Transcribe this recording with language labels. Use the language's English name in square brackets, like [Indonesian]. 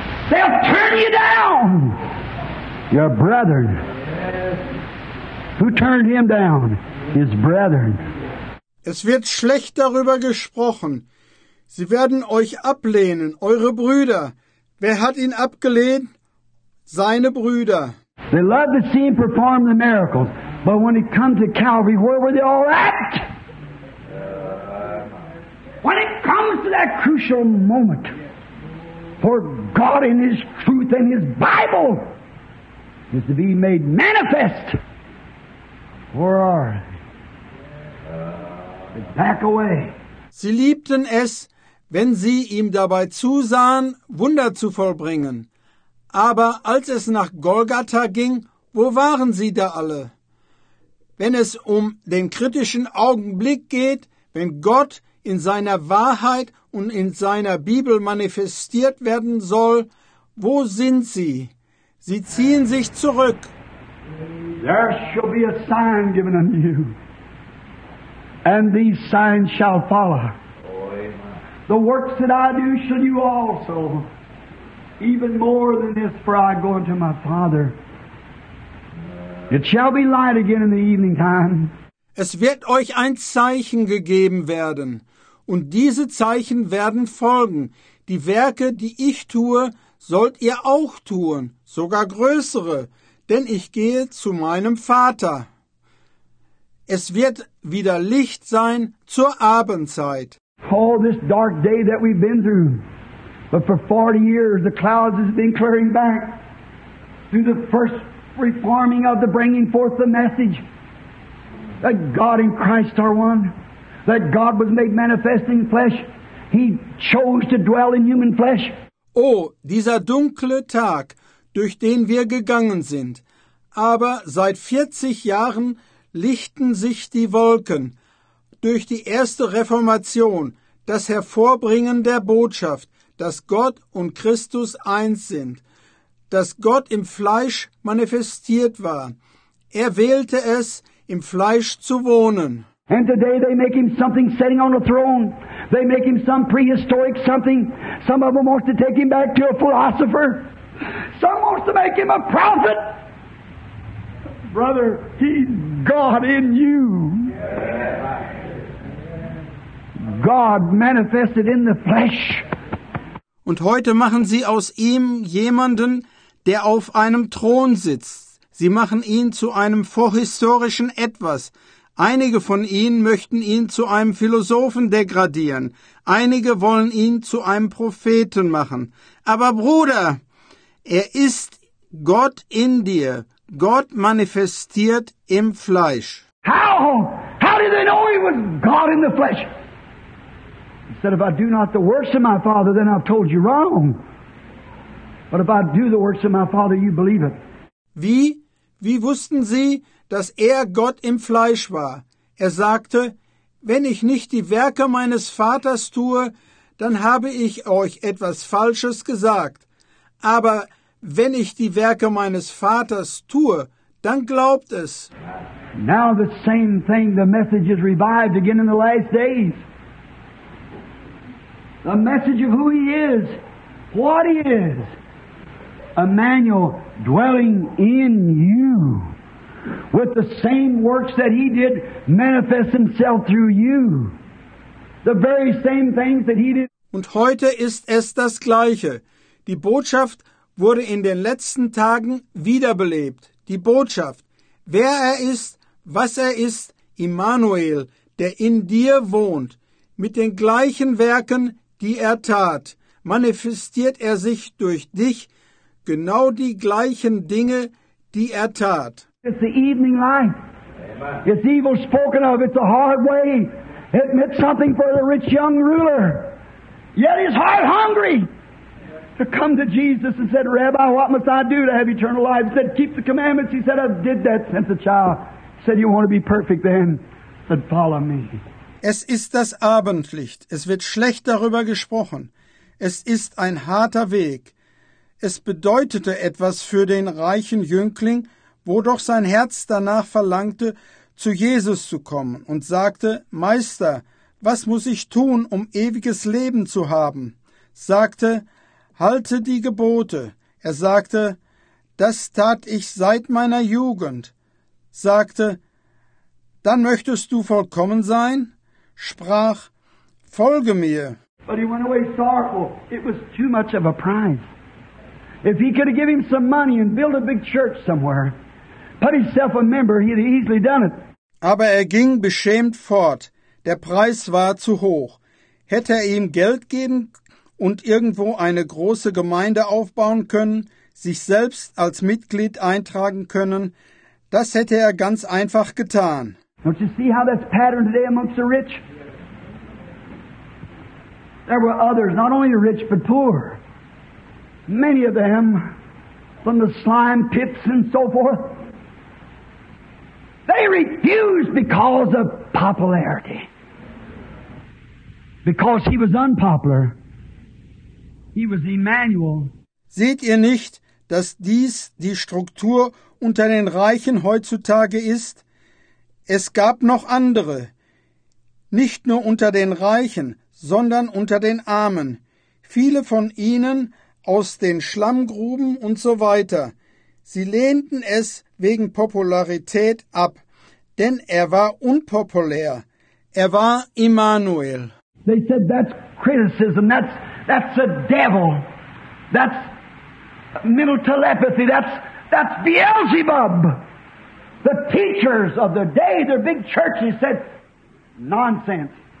[English] They'll turn you down. Your brethren. Who turned him down? His brethren. [German] Es wird schlecht darüber gesprochen. Sie werden euch ablehnen, eure Brüder. Wer hat ihn abgelehnt? Seine Brüder. [English] They loved to see him perform the miracles, but when it comes to Calvary, where were they all at? When it comes to that crucial moment for God in His truth and His Bible is to be made manifest, where are they? Back away. [German] Sie liebten es, wenn sie ihm dabei zusahen, Wunder zu vollbringen. Aber als es nach Golgatha ging, wo waren sie da alle? Wenn es um den kritischen Augenblick geht, wenn Gott in seiner Wahrheit und in seiner Bibel manifestiert werden soll, wo sind sie? Sie ziehen sich zurück. [English] There shall be a sign given unto you, and these signs shall follow. The works that I do shall you also. Even more than this, for I go unto my Father. It shall be light again in the evening time. [German] Es wird euch ein Zeichen gegeben werden, und diese Zeichen werden folgen. Die Werke, die ich tue, sollt ihr auch tun, sogar größere, denn ich gehe zu meinem Vater. Es wird wieder Licht sein zur Abendzeit. [English] All this dark day that we've been through. But for 40 years, the clouds have been clearing back through the first reforming of the bringing forth the message that God and Christ are one, that God was made manifest in flesh. He chose to dwell in human flesh. [German] Oh, dieser dunkle Tag, durch den wir gegangen sind. Aber seit 40 Jahren lichten sich die Wolken durch die erste Reformation, das Hervorbringen der Botschaft, dass Gott und Christus eins sind, dass Gott im Fleisch manifestiert war. Er wählte es, im Fleisch zu wohnen. [English] And today they make him something sitting on a throne. They make him some prehistoric something. Some of them want to take him back to a philosopher. Some want to make him a prophet. Brother, he's God in you. God manifested in the flesh. [German] Und heute machen sie aus ihm jemanden, der auf einem Thron sitzt. Sie machen ihn zu einem vorhistorischen Etwas. Einige von ihnen möchten ihn zu einem Philosophen degradieren. Einige wollen ihn zu einem Propheten machen. Aber Bruder, er ist Gott in dir. Gott manifestiert im Fleisch. [English] How? How did they know he was God in the flesh? That if I do not the works of my Father, then I've told you wrong. But if I do the works of my Father, you believe it. [German] Wie wussten sie, dass er Gott im Fleisch war? Er sagte, wenn ich nicht die Werke meines Vaters tue, dann habe ich euch etwas Falsches gesagt. Aber wenn ich die Werke meines Vaters tue, dann glaubt es. [English] Now the same thing, the message is revived again in the last days. The message of who he is, what he is, Emmanuel dwelling in you, with the same works that he did manifest himself through you, the very same things that he did. [German] Und heute ist es das Gleiche. Die Botschaft wurde in den letzten Tagen wiederbelebt. Die Botschaft, wer er ist, was er ist, Emmanuel, der in dir wohnt, mit den gleichen Werken, die er tat, manifestiert er sich durch dich, genau die gleichen Dinge, die er tat. [English] It's the evening light. It's evil spoken of. It's a hard way. It meant something for the rich young ruler. Yet his heart hungry to come to Jesus and said, Rabbi, what must I do to have eternal life? He said, keep the commandments. He said, I did that since a child. He said, you want to be perfect then? He said, follow me. [German] Es ist das Abendlicht, es wird schlecht darüber gesprochen, es ist ein harter Weg. Es bedeutete etwas für den reichen Jüngling, wo doch sein Herz danach verlangte, zu Jesus zu kommen und sagte, Meister, was muss ich tun, um ewiges Leben zu haben? sagte, halte die Gebote. Er sagte, das tat ich seit meiner Jugend. Sagte, dann möchtest du vollkommen sein? Sprach, folge mir. [English] But he went away sorrowful. It was too much of a prize. If he could have given him some money and built a big church somewhere, put himself a member, he'd easily done it. [German] Aber er ging beschämt fort. Der Preis war zu hoch. Hätte er ihm Geld geben und irgendwo eine große Gemeinde aufbauen können, sich selbst als Mitglied eintragen können, das hätte er ganz einfach getan. [English] Don't you see how that's patterned today amongst the rich? There were others, not only rich, but poor. Many of them from the slime pits and so forth. They refused because of popularity. Because he was unpopular. He was Emmanuel. [German] Seht ihr nicht, dass dies die Struktur unter den Reichen heutzutage ist? Es gab noch andere. Nicht nur unter den Reichen, sondern unter den Armen. Viele von ihnen aus den Schlammgruben und so weiter. Sie lehnten es wegen Popularität ab. Denn er war unpopulär. Er war Immanuel. [English] They said, that's criticism, that's a devil, that's mental telepathy, that's Beelzebub. The teachers of the day, their big churches said, nonsense.